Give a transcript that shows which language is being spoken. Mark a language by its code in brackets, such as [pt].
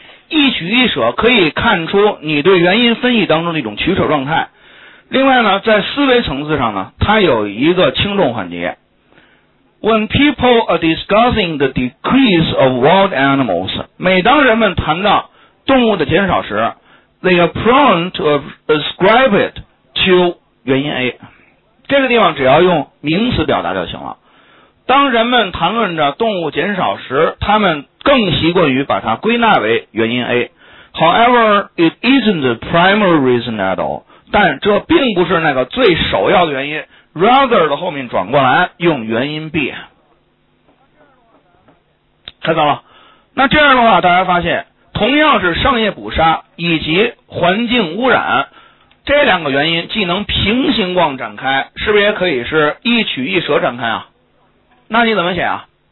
[zh] 一取一舍可以看出你对原因分析当中的一种取舍状态。另外呢，在思维层次上呢，它有一个轻重缓急。 [en] When people are discussing the decrease of wild animals, [zh] 每当人们谈到动物的减少时， [en] they are prone to ascribe it to [zh] 原因 [en] A。 [zh] 这个地方只要用名词表达就行了。当人们谈论着动物减少时，他们更习惯于把它归纳为原因 A。 [en] However, it isn't the primary reason at all， [zh] 但这并不是那个最首要的原因。 Rather 的后面转过来用原因 B， 看到了。那这样的话大家发现，同样是商业捕杀以及环境污染，这两个原因既能平行逛展开，是不是也可以是一取一舍展开啊？那你怎么写啊？